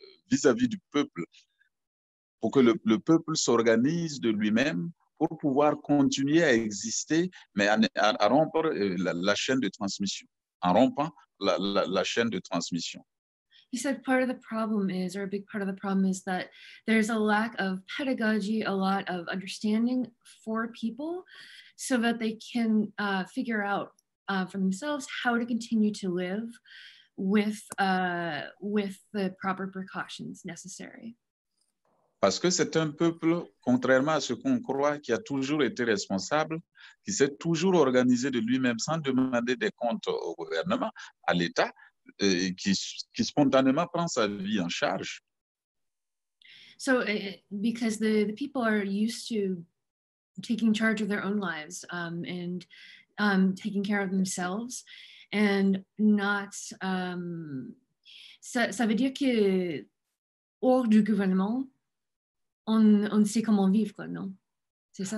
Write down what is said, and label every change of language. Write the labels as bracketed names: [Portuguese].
[French] vis-à-vis du peuple, pour que le peuple s'organise de lui-même pour pouvoir continuer à exister, mais à rompre la chaîne de transmission, en rompant la chaîne de transmission. [English] He said part of the problem is, or a big part of the problem is that there's a lack of pedagogy, a lot of understanding for people, so that they can figure out for themselves how to continue to live with the proper precautions necessary. [French] Parce que c'est un peuple, contrairement à ce qu'on croit, qui a toujours été responsable, qui s'est toujours organisé de lui-même sans demander des comptes au gouvernement, à l'État, et qui spontanément prend sa vie en charge. [English] So, because the people are used to taking charge of their own lives and taking care of themselves, and not, [French] ça veut dire que hors du gouvernement, on sait comment vivre, quoi, non? C'est ça?